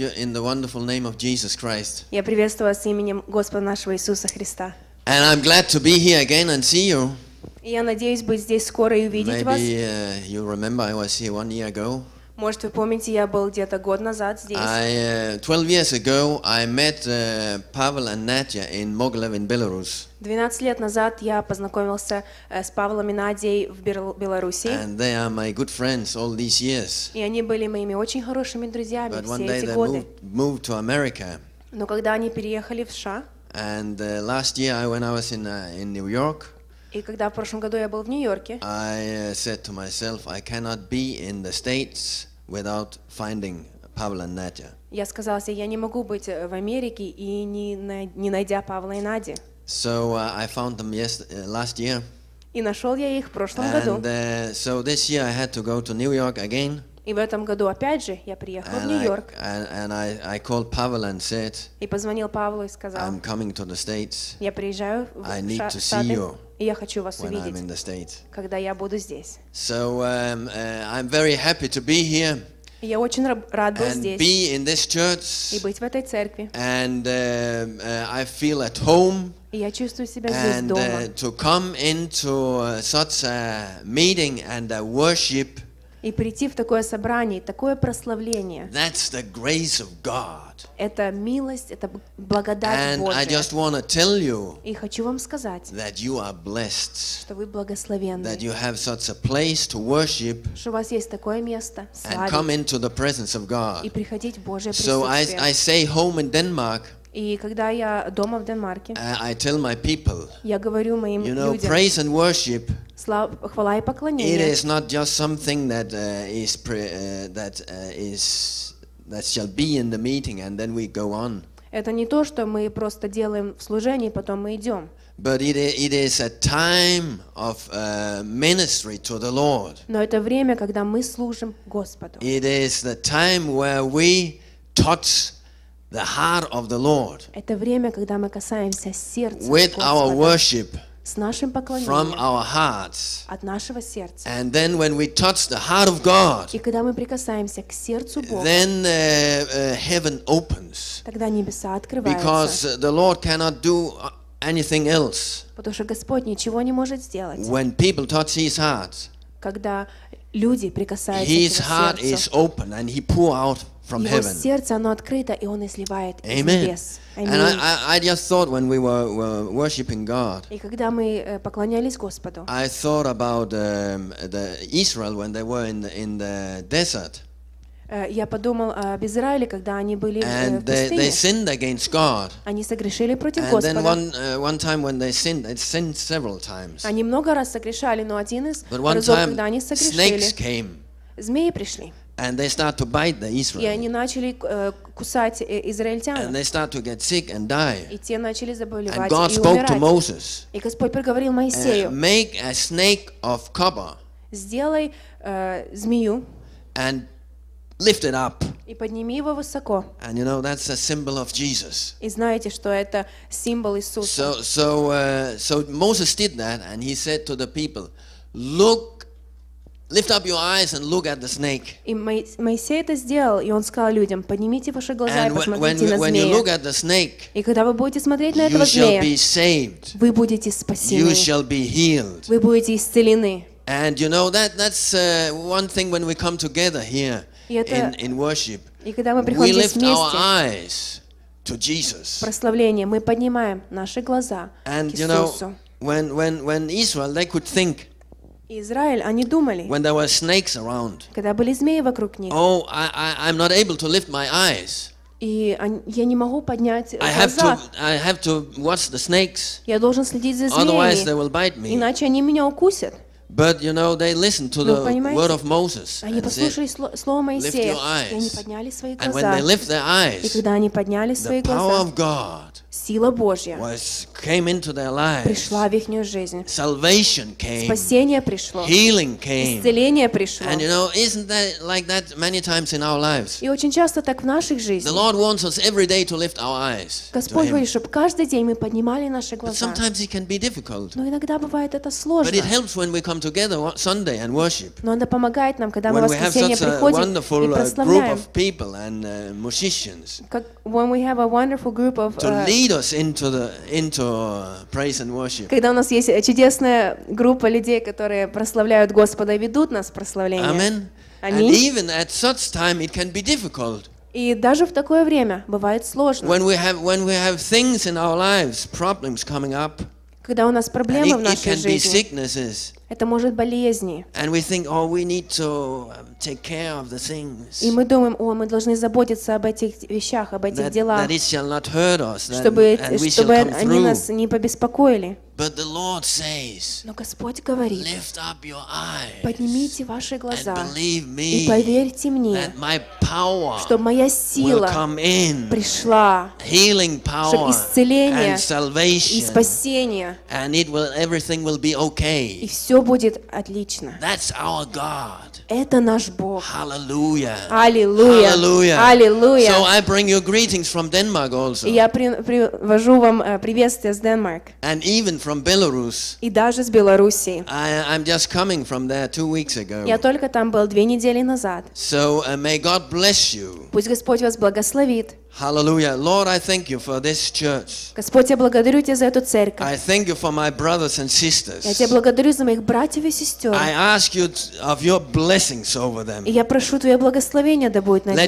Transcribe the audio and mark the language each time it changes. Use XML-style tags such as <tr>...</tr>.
<en>you in the wonderful name of Jesus Christ.</en> <ru>Я приветствую вас именем Господа нашего Иисуса Христа.</ru> <en>And I'm glad to be here again and see you.</en> <ru>Я надеюсь быть здесь скоро и увидеть вас.</ru> <en>Maybe you remember I was here 1 year ago.</en> <ru>Может, вы помните, я был где-то год назад здесь.</ru> <en>12 years ago I met Pavel and Nadia in Mogilev in Belarus.</en> <ru>12 лет назад я познакомился с Павлом и Надей в Беларуси.</ru> <en>And they are my good friends all these years.</en> <ru>И они были моими очень хорошими друзьями</ru> <en>But</en> <ru>все</ru> <en>one day</en> <ru>эти</ru> <en>they</en> <ru>годы.</ru> <en>Moved to America.</en> <ru>Но когда они переехали в США.</ru> <en>And last year when I was in New York.</en> <ru>И когда в прошлом году я был в Нью-Йорке,</ru> <en>I said to myself, I cannot be in the States without finding Pavel and Nadia.</en> <ru>Я сказал себе, я не могу быть в Америке и не найдя Павла и Нади.</ru> <en>So I found them last year.</en> <ru>И нашел я их в прошлом</ru> <en>and,</en> <ru>году.</ru> <en>And so this year I had to go to New York again.</en> <ru>И в этом году опять же я приехал</ru> <en>and</en> <ru>в Нью-Йорк.</ru> <en>I called Pavel and said,</en> <ru>и позвонил Павлу и сказал,</ru> <en>I'm coming to the States.</en> <ru>Я приезжаю в</ru> <en>I need to see you.</en> <ru>И я хочу вас увидеть, когда я буду здесь.</ru> <en>So, I'm very happy to be here.</en> <ru>Я очень рад был</ru> <en>and</en> <ru>здесь.</ru> <en>Be in this church.</en> <ru>И быть в этой церкви.</ru> <en>And I feel at home.</en> <ru>И я чувствую себя здесь</ru> <en>and,</en> <ru>дома.</ru> <en>And to come into such a meeting and a worship.</en> <ru>И прийти в такое собрание, такое прославление.</ru> <en>That's the grace of God.</en> <ru>Это милость, это благодать</ru> <en>and</en> <ru>Божия.</ru> <en>I just want to tell you,</en> <ru>и хочу вам сказать,</ru> <en>that you are blessed,</en> <ru>что вы благословенны,</ru> <en>that you have such a place to worship,</en> <ru>что у вас есть такое место, славить,</ru> <en>and come into the presence of God.</en> <ru>И приходить в Божие присутствие.</ru> <en>So I say home in Denmark,</en> <ru>и когда я дома в Денмарке,</ru> <en>I tell my people,</en> <ru>я говорю моим</ru> <en>you know,</en> <ru>людям,</ru> <en>praise and worship,</en> <ru>хвала и поклонение,</ru> <en>it is not just something that is that is that shall be in the meeting and then we go on.</en> <ru>Это не то, что мы просто делаем в служении, потом мы идем.</ru> <en>But it is a time of ministry to the Lord.</en> <ru>Но это время, когда мы служим Господу.</ru> <en>It is the time where we touch the heart of the Lord.</en> <ru>Это время, когда мы касаемся сердца Господа.</ru> <en>With our worship.</en> <ru>с нашим поклонением,</ru> <en>from our hearts,</en> <ru>от нашего сердца,</ru> <en>and then when we touch the heart of God,</en> <ru>и когда мы прикасаемся к сердцу Бога,</ru> <en>then heaven opens,</en> <ru>тогда небеса открываются,</ru> <en>because the Lord cannot do anything else,</en> <ru>потому что Господь ничего не может сделать,</ru> <en>when people touch His heart,</en> <ru>когда люди прикасаются к Его сердцу,</ru> <en>His heart is open and He pour out from heaven.</en> <ru>Его сердце оно открыто и он изливает из небес.</ru> <en>And I just thought when we were worshiping God.</en> <ru>И когда мы поклонялись Господу.</ru> <en>I thought about the Israel when they were in the desert.</en> <ru>Я подумал об Израиле, когда они были в пустыне.</ru> <en>And they sinned against God.</en> <ru>Они согрешили против Господа.</ru> <en>And then one time when they sinned several times.</en> <ru>Они много раз согрешали, но один из разов, когда они согрешили.</ru> <en>Snakes came.</en> <ru>Змеи пришли.</ru> <en>And they start to bite the Israelites.</en> <ru>И они начали кусать израильтян.</ru> <en>And they start to get sick and die.</en> <ru>И те начали заболевать и умирать.</ru> <en>And God spoke to Moses.</en> <ru>И Господь проговорил Моисею.</ru> <en>Make a snake of copper.</en> <ru>Сделай змею.</ru> <en>And lift it up.</en> <ru>И подними его высоко.</ru> <en>And you know that's a symbol of Jesus.</en> <ru>И знаете, что это символ Иисуса.</ru> <en>So Moses did that, and he said to the people, look. Lift up your eyes and look at the snake.</en> <ru>И Моисей это сделал, и он сказал людям: поднимите ваши глаза и посмотрите на змея.</ru> <en>When you look at the snake,</en> <ru>и когда вы будете смотреть на этого змея,</ru> <en>you shall be saved.</en> <ru>Вы будете спасены.</ru> <en>You shall be healed.</en> <ru>Вы будете исцелены.</ru> <en>And you know that's one thing when we come together here in worship.</en> <ru>И когда мы приходим вместе,</ru> <en>we lift our eyes to Jesus.</en> <ru>Прославление, мы поднимаем наши глаза к Иисусу.</ru> <en>And you know when Israel they could think.</en> <ru>И Израиль, они думали,</ru> <en>when there were snakes around,</en> <ru>когда были змеи вокруг них,</ru> <en>oh, I'm not able to lift my eyes.</en> <ru>И я не могу поднять глаза.</ru> <en>I have to watch the snakes.</en> <ru>Я должен следить за змеями.</ru> <en>Otherwise they will bite me.</en> <ru>Иначе они меня укусят.</ru> <en>But you know they listened to the word of Moses.</en> <ru>Они послушали слово Моисея.</ru> <en>Lift your eyes.</en> <ru>И они подняли свои глаза.</ru> <en>And when they lift their eyes,</en> <ru>и когда они подняли свои глаза,</ru> <en>the power of God.</en> <ru>Сила Божья</ru> <en>came into their lives.</en> <ru>Пришла в их жизнь.</ru> <en>Salvation came.</en> <ru>Спасение пришло.</ru> <en>Healing came.</en> <ru>Исцеление пришло.</ru> <en>And you know, isn't that like that many times in our lives?</en> <ru>И очень часто так в наших жизнях.</ru> <en>The Lord wants us every day to lift our eyes.</en> <ru>Господь хочет, чтобы каждый день мы поднимали наши глаза.</ru> <en>But sometimes it can be difficult.</en> <ru>Но иногда бывает это сложно.</ru> <en>But it helps when we come together on Sunday and worship.</en> <ru>Но это помогает нам, когда мы</ru> <en>when</en> <ru>в воскресенье приходим и прославляем.</ru> <en>When we have such a wonderful group of people and musicians. When we have a wonderful group of us into praise and worship.</en> <ru>Когда у нас есть чудесная группа людей, которые прославляют Господа и ведут нас в прославление.</ru> <en>Amen.</en> <ru>Они?</ru> <en>And even at such time it can be difficult.</en> <ru>И даже в такое время бывает сложно.</ru> <en>When we have things in our lives, problems coming up.</en> <ru>Когда у нас проблемы в нашей жизни.</ru> <en>It can be sicknesses.</en> <ru>Это может болезни.</ru> <en>And we think, oh, we need to take care of the things.</en> <ru>И мы думаем, о, мы должны заботиться об этих вещах, об этих делах.</ru> <en>That it shall not hurt us.</en> <ru>Чтобы они нас не побеспокоили.</ru> <en>But the Lord says.</en> <ru>Но Господь говорит.</ru> <en>Lift up your eyes.</en> <ru>Поднимите ваши глаза.</ru> <en>And believe me.</en> <ru>И поверьте мне.</ru> <en>That my power.</en> <ru>Что моя сила.</ru> <en>Will come in.</en> <ru>Пришла.</ru> <en>Healing power.</en> <ru>Чтобы исцеление.</ru> <en>And salvation.</en> <ru>И спасение.</ru> <en>And it will everything will be okay.</en> <ru>Все будет отлично.</ru> <en>That's our God.</en> <ru>Это наш Бог.</ru> <en>Hallelujah. Hallelujah. Hallelujah. Hallelujah. So I bring you greetings from Denmark also.</en> <ru>Я привожу вам приветствие с Denmark. And even from Belarus. И даже с Беларуси. I'm just coming from there 2 weeks ago. Я только там был 2 недели назад. So may God bless you. Пусть Господь вас благословит.</ru> <en>Hallelujah. Lord, I thank you for this church.</en> <ru>Господь, я благодарю тебя за эту церковь.</ru> <en>I thank you for my brothers and sisters.</en> <ru>Я тебя благодарю за моих братьев и сестер.</ru> <en>I ask you of your blessings over them.</en> <ru>И я прошу твое благословение да будет над ними.</ru>